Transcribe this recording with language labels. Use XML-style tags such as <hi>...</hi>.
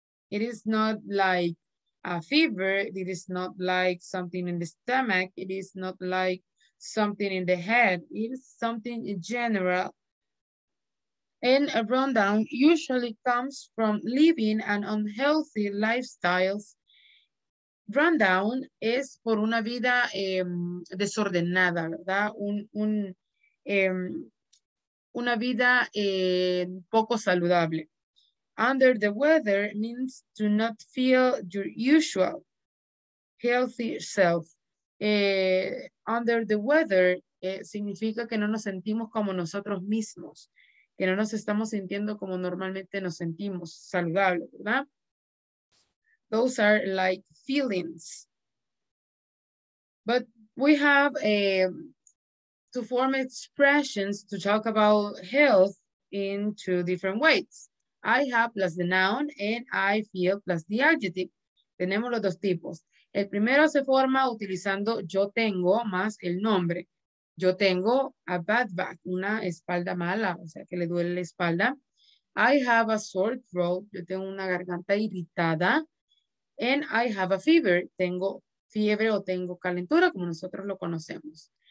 <en>It is not like a fever. It is not like something in the stomach. It is not like something in the head. It is something in general. And a rundown usually comes from living an unhealthy lifestyle.</en> <es>Rundown es por una vida desordenada, ¿verdad? Un una vida poco saludable.</es> <en>Under the weather means to not feel your usual healthy self.</en> <es>Under the weather significa que no nos sentimos como nosotros mismos, que no nos estamos sintiendo como normalmente nos sentimos, saludable, ¿verdad?</es> <en>Those are like feelings. But we have to form expressions to talk about health in two different ways. I have plus the noun and I feel plus the adjective.</en> <es>Tenemos los dos tipos. El primero se forma utilizando yo tengo más el nombre. Yo tengo</es> <en>a bad back,</en> <es>una espalda mala, o sea que le duele la espalda.</es> <en>I have a sore throat,</en> <es>yo tengo una garganta irritada.</es> <en>And I have a fever,</en> <es>tengo fiebre o tengo calentura, como nosotros lo conocemos.</es>